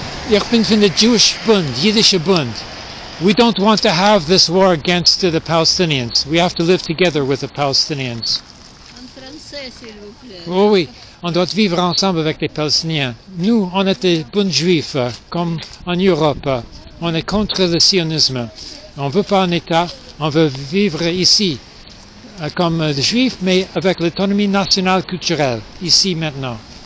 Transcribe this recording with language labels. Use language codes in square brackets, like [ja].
[de] Ich bin von der Jewish Bund, Yiddish Bund. [en] We don't want to have this war against the Palestinians. We have to live together with the Palestinians. [fr] En français, s'il vous plaît. Oh oui, on doit vivre ensemble avec les Palestiniens. Nous, on est des Bund juifs, comme en Europe. On est contre le sionisme. On veut pas un État, on veut vivre ici. Comme des juifs, mais avec l'autonomie nationale culturelle, ici, maintenant.